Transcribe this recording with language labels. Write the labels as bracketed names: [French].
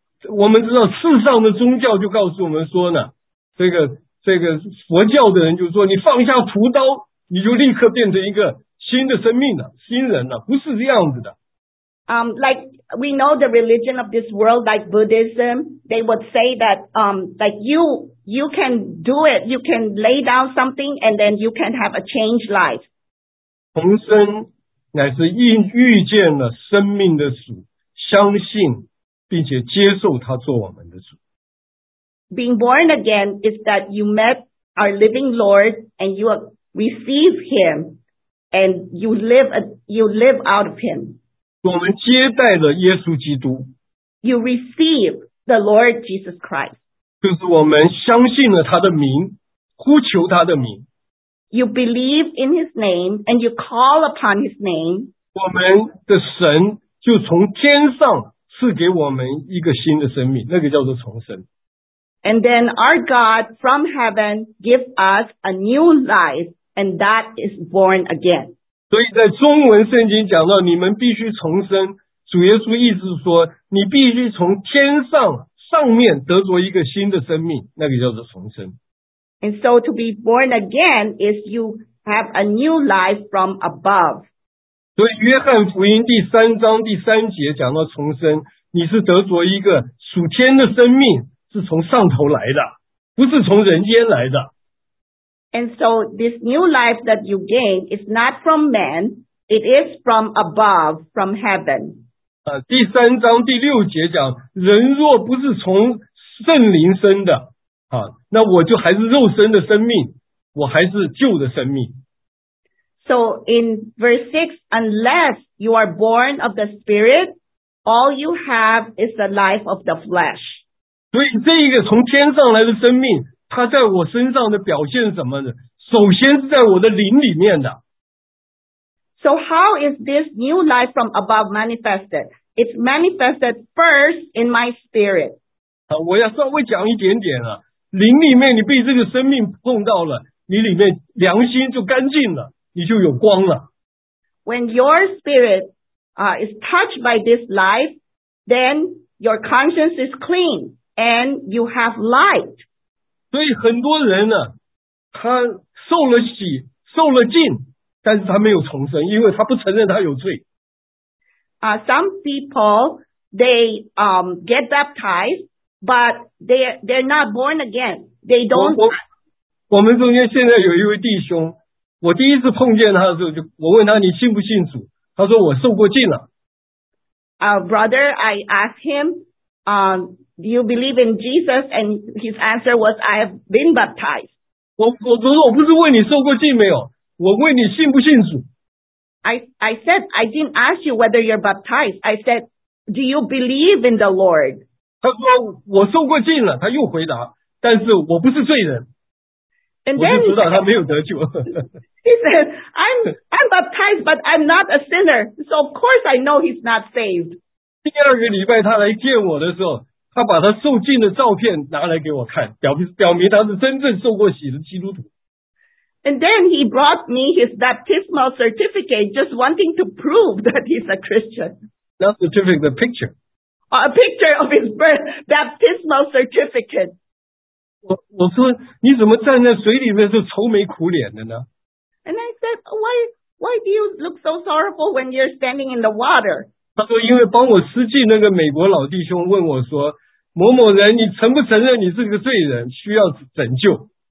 [Chinese] 我们知道世上的宗教就告诉我们说呢，这个佛教的人就说，你放下屠刀，你就立刻变成一个新的生命了，新人了，不是这样子的。 [English] Like we know the religion of this world, like Buddhism, they would say that you can do it, you can lay down something and then you can have a changed life. [Chinese] 重生乃是遇见了生命的主，相信并且接受他做我们的主。 [English] Being born again is that you met our living Lord and you receive Him and you live out of Him. [Chinese] 我们接待了耶稣基督。 [English] You receive the Lord Jesus Christ. [Chinese] 就是我们相信了他的名，呼求他的名。 [English] You believe in His name and you call upon His name. [Chinese] 我们的神就从天上赐给我们一个新的生命，那个叫做重生。 [English] And then our God from heaven give us a new life, and that is born again. [Chinese] 所以在中文圣经讲到你们必须重生，主耶稣意思是说你必须从天上上面得着一个新的生命，那个叫做重生。 [English] And so to be born again is you have a new life from above. [Chinese] 所以约翰福音第三章第三节讲到重生，你是得着一个属天的生命，是从上头来的，不是从人间来的。 [English] And so this new life that you gain is not from man, it is from above, from heaven. [Chinese] 第三章第六节讲，人若不是从圣灵生的，那我就还是肉身的生命，我还是旧的生命。 [English] So in verse 6, unless you are born of the Spirit, all you have is the life of the flesh. [Chinese] 所以这一个从天上来的生命，它在我身上的表现什么呢？首先是在我的灵里面的。 [English] So how is this new life from above manifested? It's manifested first in my spirit. [Chinese] 我要稍微讲一点点啊，灵里面你被这个生命碰到了，你里面良心就干净了，你就有光了。 [English] When your spirit, is touched by this life, then your conscience is clean. And you have light. [Chinese] 所以很多人呢，他受了洗，受了浸，但是他没有重生，因为他不承认他有罪。 [English] Some people they get baptized, but they're not born again. They don't. [Chinese] 我们中间现在有一位弟兄，我第一次碰见他的时候，就我问他你信不信主，他说我受过浸了。 [English] Brother, I asked him, Do you believe in Jesus? And his answer was, I have been baptized. [Chinese] 我不是问你受过浸没有，我问你信不信主。 [English] I said, I didn't ask you whether you're baptized. I said, do you believe in the Lord? [Chinese] 他说我受过浸了，他又回答，但是我不是罪人。 [English] And then, [Chinese] 我就知道他没有得救。 [English] He said, I'm baptized, but I'm not a sinner. So of course I know he's not saved. [Chinese] 第二个礼拜他来见我的时候，他把他受浸的照片拿来给我看，表明他是真正受过洗的基督徒。 [English] And then he brought me his baptismal certificate, just wanting to prove that he's a Christian. Not certificate, a picture. A picture of his birth baptismal certificate. [Chinese] 我说你怎么站在水里面是愁眉苦脸的呢 [English] ？And I said, why do you look so sorrowful when you're standing in the water? [Chinese] 他说因为帮我施浸那个美国老弟兄问我说某某人你承不承认你是个罪人需要拯救。